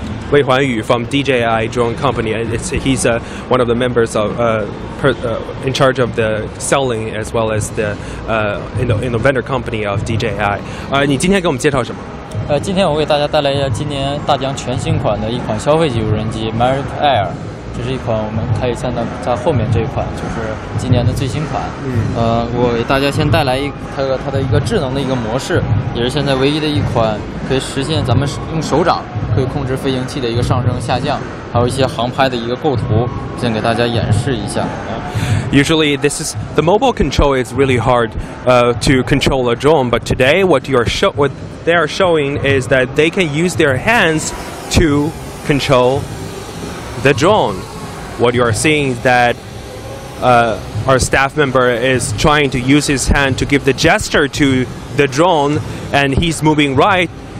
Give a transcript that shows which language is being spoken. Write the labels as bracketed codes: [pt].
[en] Wei Huanyu from DJI drone company, and he's one of the members of in charge of the selling as well as the in the vendor company of DJI. [zh] 你今天给我们介绍什么？今天我为大家带来一下今年大疆全新款的一款消费级无人机 Mavic Air， 这是一款我们可以看到在后面这一款就是今年的最新款。我为大家先带来它的一个智能的一个模式，也是现在唯一的一款可以实现咱们用手掌可以控制飞行器的一个上升下降，还有一些航拍的一个构图，先给大家演示一下。 [en] Usually, this is the mobile control is really hard to control a drone. But today, what they are showing is that they can use their hands to control the drone. What you are seeing is that our staff member is trying to use his hand to give the gesture to the drone, and he's moving right.